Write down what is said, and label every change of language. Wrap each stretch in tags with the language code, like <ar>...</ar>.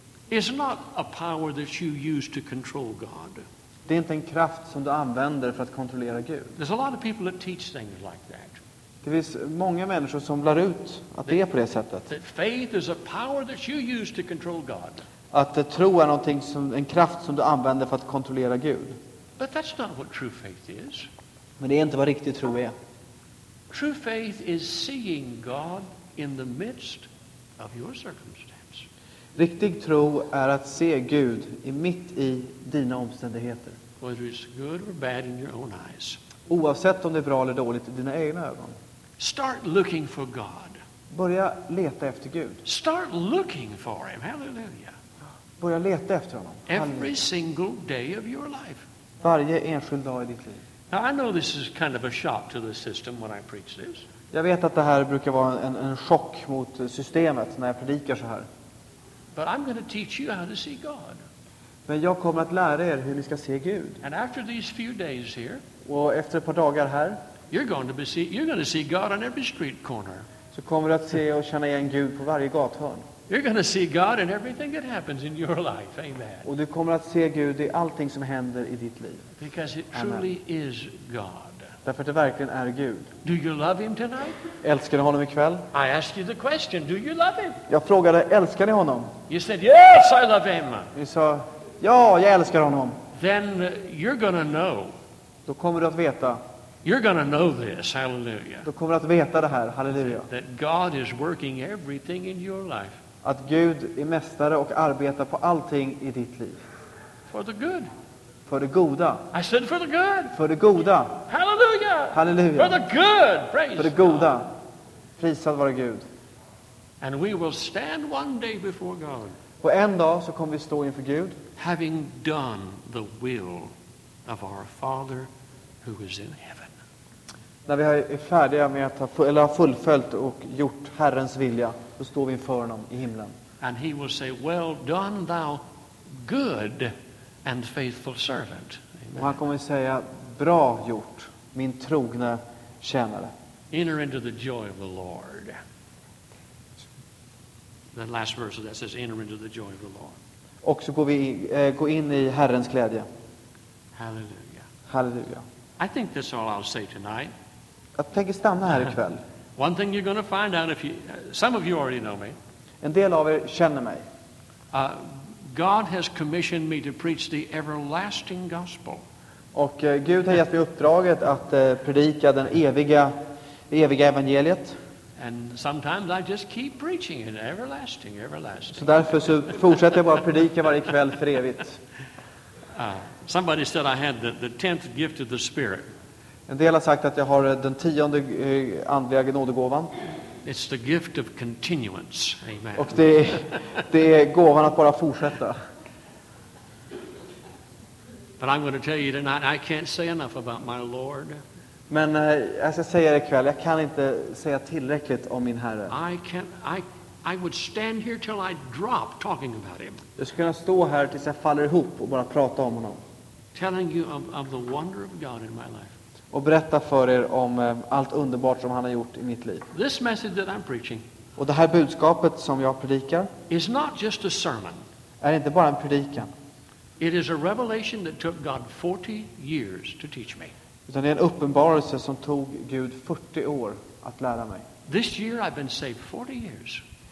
<en>Is not a power that you use to control God.</en> <sv>Det är inte en kraft som du använder för att kontrollera Gud.</sv> <en>There's a lot of people that teach things like that.</en> <sv>Det finns många människor som lär ut att det är på det sättet.</sv> <en>That faith is a power that you use to control God.</en> <sv>Att tro är någonting som en kraft som du använder för att kontrollera Gud.</sv> <en>But that's not what true faith is.</en> <sv>Men det är inte vad riktig tro är.</sv> <en>True faith is seeing God in the midst of your circumstance.</en> <sv>Riktig tro är att se Gud i mitt i dina omständigheter.</sv> <en>Whether it's good or bad in your own eyes.</en> <sv>Oavsett om det är bra eller dåligt i dina egna ögon.</sv> <en>Start looking for God.</en> <sv>Börja leta efter Gud.</sv> <en>Start looking for him. Hallelujah.</en> <sv>Börja leta efter honom.</sv> <en>Every single day of your life.</en> <sv>Varje enskild dag i ditt liv.</sv> <en>Now I know this is kind of a shock to the system when I preach this.</en> <sv>Jag vet att det här brukar vara en chock mot systemet när jag predikar så här.</sv> <en>But I'm going to teach you how to see God.</en> <sv>Men jag kommer att lära er hur ni ska se Gud.</sv> <en>And after these few days here,</en> <sv>och efter ett par dagar här,</sv> <en>you're going to see God on every street corner.</en> <sv>Så kommer du att se och känna igen Gud på varje gathörn.</sv> <en>You're going to see God in everything that happens in your life. Amen.</en> <sv>Och du kommer att se Gud i allting som händer i ditt liv.</sv> <en>Because it truly is God.</en> <sv>Därför att det verkligen är Gud.</sv> <en>Do you love him tonight?</en> <sv>Älskar du honom ikväll?</sv> <en>I asked you the question. Do you love him?</en> <sv>Jag frågade, älskar ni honom?</sv> <en>You said, yes, I love him.</en> <sv>Du sa, ja, jag älskar honom.</sv> <en>Then you're going to know.</en> <sv>Då kommer du att veta.</sv> <en>You're going to know this. Hallelujah.</en> <sv>Då kommer du att veta det här. Halleluja.</sv> <en>That God is working everything in your life.</en> <sv>Att Gud är mästare och arbetar på allting i ditt liv.</sv> <en>For the good.</en> <sv>För det goda.</sv> <en>I said for the good.</en> <sv>För det goda.</sv> <en>Hallelujah.</en> <sv>Halleluja.</sv> <en>For the good. Praise.</en> <sv>För det goda.</sv> <en>God.</en> <sv>Prisad vare Gud.</sv> <en>And we will stand one day before God.</en> <sv>Och en dag så kommer vi stå inför Gud.</sv> <en>Having done the will of our Father who is in heaven.</en> <sv>När vi är färdiga med att ha, eller har fullföljt och gjort Herrens vilja, då står vi inför honom i himlen.</sv> <en>And he will say, well done thou good and faithful servant. Amen.</en> <sv>Och han kommer säga, bra gjort, min trogna tjänare.</sv> <en>Enter into the joy of the Lord. The last verse that says, enter into the joy of the Lord.</en> <sv>Och så går vi gå in i Herrens glädje. Halleluja. Halleluja.</sv> <en>I think that's all I'll say tonight.</en> <sv>Jag tänker stanna här ikväll.</sv> <en>One thing you're going to find out if you, some of you already know me.</en> <sv>En del av er känner mig.</sv> <en>God has commissioned me to preach the everlasting gospel.</en> <sv>Och Gud har gett mig uppdraget att predika den eviga evangeliet.</sv> <en>And sometimes I just keep preaching it everlasting, everlasting.</en> <sv>Så därför så fortsätter jag bara predika varje kväll för evigt.</sv> <en>Somebody said I had the 10th gift of the Spirit.</en> <sv>En del har sagt att jag har den 10:e andliga nådegåvan.</sv> <en>It's the gift of continuance. Amen.</en> <sv>Och det är gåvan att bara fortsätta.</sv> <en>But I'm going to tell you tonight, I can't say enough about my Lord.</en> <sv>Men jag ska säga det ikväll, jag kan inte säga tillräckligt om min Herre.</sv> <en>I would stand here till I drop talking about him.</en> <sv>Jag skulle kunna stå här tills jag faller ihop och bara prata om honom.</sv> <en>Telling you of the wonder of God in my life.</en> <sv>Och berätta för er om allt underbart som han har gjort i mitt liv.</sv> <en>This message that I'm preaching.</en> <sv>Och det här budskapet som jag predikar.</sv> <en>Is not just a sermon.</en> <sv>Är inte bara en predikan.</sv> <en>It is a revelation that took God 40 years to teach me.</en> <sv>Utan det är en uppenbarelse som tog Gud 40 år att lära mig.</sv> <en>This year I've been saved 40 years.</en>